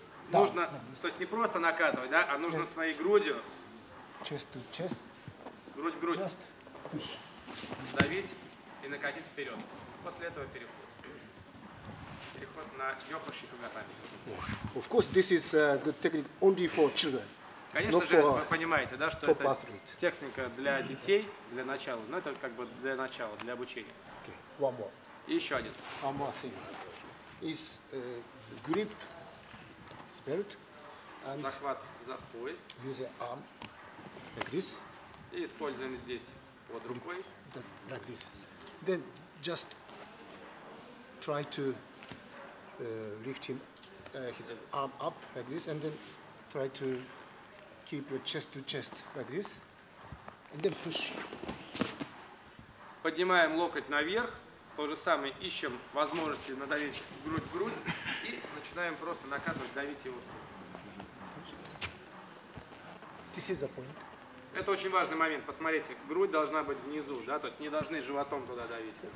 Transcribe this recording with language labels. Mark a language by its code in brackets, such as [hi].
[ru] Нужно, то есть не просто накатывать, да, а нужно своей грудью. [en] Chest to chest. [ru] Грудь в грудь. Давить и накатить вперед. После этого переход. Переход на йоко шикугатами. [en] Of course, this is a good technique only for children. [ru] Конечно же, вы понимаете, да, что это техника для детей, для начала. Но это как бы для начала, для обучения. [en] Okay. One more. [ru] И еще один. [en] One more thing. Is grip spirit and [ru] захват за пояс. [en] Use the arm like this. [ru] И используем здесь. Под рукой. [en] That, like this. Then just try to lift him his arm up like this, and then try to keep your chest to chest like this, and then push. [ru] Поднимаем локоть наверх, то же самое ищем возможности надавить грудь в грудь и начинаем просто накатывать, давить его. [en] This is the point. [ru] Это очень важный момент. Посмотрите, грудь должна быть внизу, да, то есть не должны животом туда давить.